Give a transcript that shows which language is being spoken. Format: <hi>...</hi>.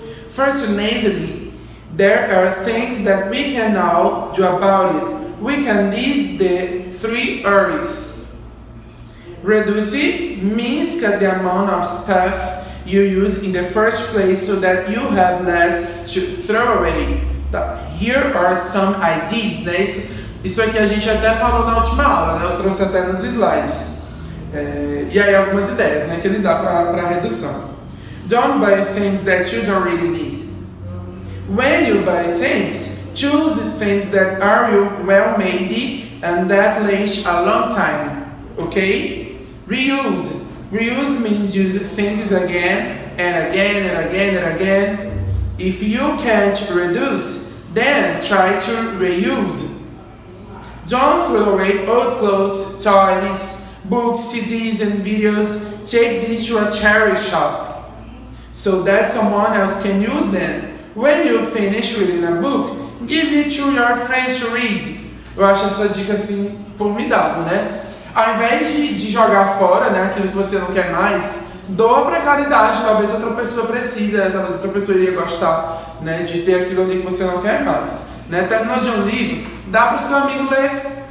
<en>Fortunately, there are things that we can now do about it. We can list the 3 areas. Reduce means cut the amount of stuff you use in the first place so that you have less to throw away. Here are some ideas, né?</en> <pt>Isso aqui a gente até falou na última aula, né? Eu trouxe até nos slides. E aí algumas ideias, né, que ele dá para redução.</pt> <en>Don't buy things that you don't really need. When you buy things, choose things that are well made and that last a long time. Okay? Reuse. Reuse means use things again and again and again and again. If you can't reduce, then try to reuse. Don't throw away old clothes, toys, books, CDs, and videos. Take this to a charity shop so that someone else can use them. When you finish reading a book, give it to your friends to read.</en> <pt>Eu acho essa dica assim formidável, né? Ao invés de jogar fora, né, aquilo que você não quer mais, doa para caridade, talvez outra pessoa precise, né? Talvez outra pessoa iria gostar, né, de ter aquilo ali que você não quer mais. Né? Terminou de um livro, dá para o seu amigo ler.</pt>